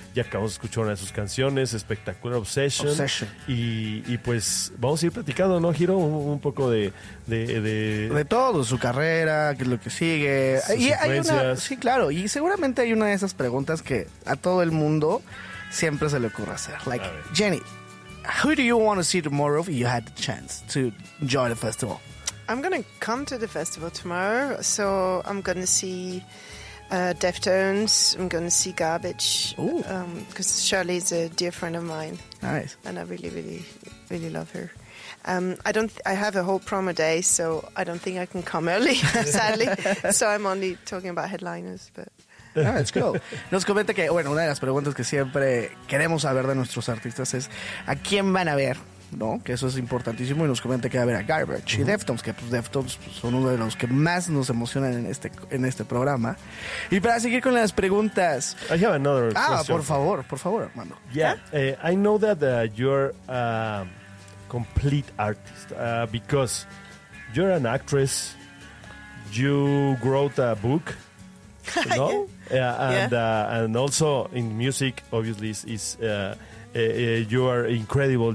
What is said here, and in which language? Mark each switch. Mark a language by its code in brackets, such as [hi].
[es] Ya acabamos de escuchar una de sus canciones, Spectacular Obsession. Y pues vamos a ir platicando, ¿no, Giro? Un poco de todo, su carrera, qué es lo que sigue. Y hay una, sí, claro, y seguramente hay una de esas preguntas que a todo el mundo siempre se le ocurre hacer. [en] Like, Jenny, who do you want to see tomorrow if you had the chance to join the festival? I'm going to come to the festival tomorrow, so I'm going to see Deftones, I'm going to see Garbage, because Shirley's a dear friend of mine. Nice. And I really, really, really love her. I have a whole promo day, so I don't think I can come early, sadly. So I'm only talking about headliners, but let's go. [es] Nos comenta que, bueno, una de las preguntas que siempre queremos saber de nuestros artistas es ¿a quién van a ver? ¿No? Que eso es importantísimo. Y nos comenta que va a ver a Garbage y Deftones, que pues Deftones son uno de los que más nos emocionan en este programa. Y para seguir con las preguntas, [en] I have another question. [es] Por favor, Armando. [en] I know that you're a complete artist, because you're an actress, you wrote a book. No? And also in music, obviously, is you are incredible.